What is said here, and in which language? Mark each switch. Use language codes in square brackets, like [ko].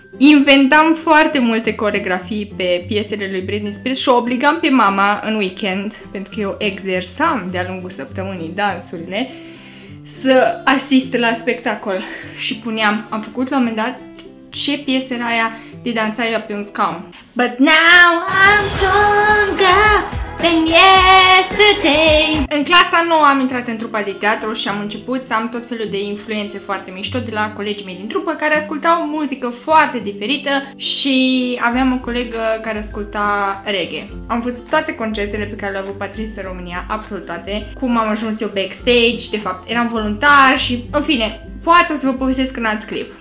[ro] Inventam foarte multe coreografii pe piesele lui Britney Spears și o obligam pe mama în weekend, pentru că eu exersam de-a lungul săptămânii dansurile, să asiste la spectacol. Și puneam, am făcut la un moment dat, ce piesă era aia de dansaia pe un scaun. [en] But now I'm stronger than yesterday. [ro] În clasa 9 am intrat în trupa de teatru și am început să am tot felul de influențe foarte mișto de la colegii mei din trupă, care ascultau muzică foarte diferită, și aveam o colegă care asculta reggae. Am văzut toate concertele pe care le-a avut Patrice în România, absolut toate, cum am ajuns eu backstage, de fapt eram voluntar și, în fine, poate o să vă povestesc în alt clip.